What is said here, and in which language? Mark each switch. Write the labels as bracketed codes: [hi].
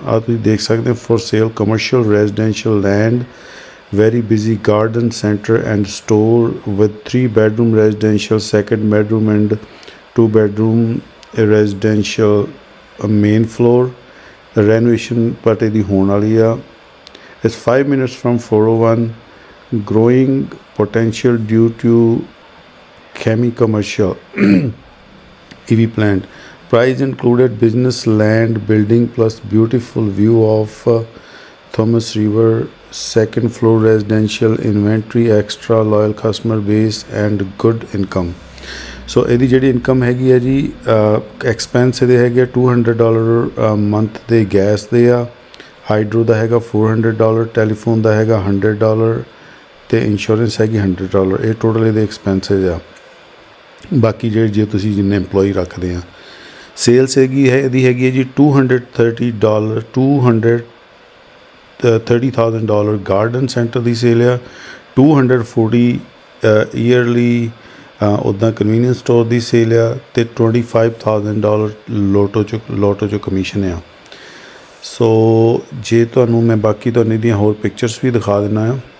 [pa] ਆਹ ਤੁਸੀਂ ਦੇਖ ਸਕਦੇ ਹੋ, [en] For sale commercial residential land, very busy garden centre and store with 3 bedroom residential second bedroom and 2 bedroom residential main floor. [pa] Renovation ਪਟ ਇਹਦੀ ਹੋਣ ਵਾਲੀ ਆ। [en] It's 5 minutes from 401, growing potential due to chemi commercial EV plant. Price included business land building plus beautiful view of Thomas River, second floor residential inventory, extra loyal customer base and good income. [pa] So edi jehdi income hai gi hai ji, expense ede hai gi $200 month de gas de a, hydro ਦਾ ਹੈਗਾ $400, telephone ਦਾ ਹੈਗਾ $100, ਅਤੇ insurance ਹੈਗੀ $100। ਇਹ total ਇਹਦੇ expenses ਆ, ਬਾਕੀ ਜਿਹੜੇ ਜੇ ਤੁਸੀਂ ਜਿੰਨੇ ਇੰਪਲੋਈ ਰੱਖਦੇ ਆ। ਸੇਲਸ ਹੈਗੀ ਹੈ ਇਹਦੀ ਹੈਗੀ ਹੈ ਜੀ $230,000 ਗਾਰਡਨ ਸੈਂਟਰ ਦੀ ਸੇਲ ਆ, $240 ਈਅਰਲੀ ਉੱਦਾਂ ਕਨਵੀਨੀਅੰਸ ਸਟੋਰ ਦੀ ਸੇਲ ਆ, ਅਤੇ $25,000 ਲੋਟੋ 'ਚੋਂ ਕਮਿਸ਼ਨ ਆ। ਸੋ ਜੇ ਤੁਹਾਨੂੰ ਮੈਂ ਬਾਕੀ ਤੁਹਾਨੂੰ ਇਹਦੀਆਂ ਹੋਰ ਪਿਕਚਰਸ ਵੀ ਦਿਖਾ ਦਿੰਦਾ ਹਾਂ।